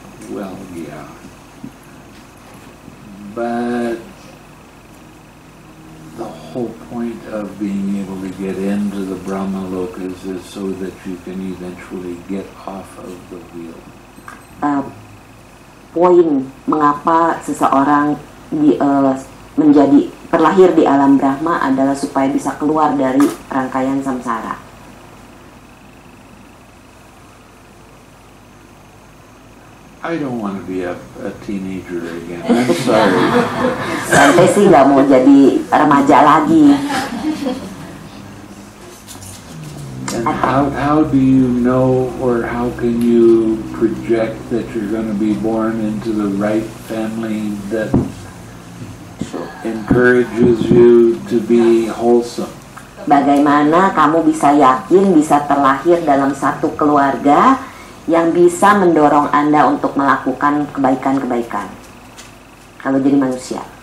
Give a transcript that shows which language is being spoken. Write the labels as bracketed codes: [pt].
[en] Well, yeah. But the whole point of being able to get into the Brahma Lokas is so that you can eventually get off of the wheel. [id] Poin mengapa seseorang menjadi terlahir di alam Brahma adalah supaya bisa keluar dari rangkaian samsara. [en] I don't want to be a teenager again. I'm sorry. [id] Sampai sih nggak mau jadi remaja lagi. [en] And how do you know, or how can you project that you're going to be born into the right family that encourages you to be wholesome? [id] Bagaimana kamu bisa yakin bisa terlahir dalam satu keluarga yang bisa mendorong Anda untuk melakukan kebaikan-kebaikan kalau jadi manusia?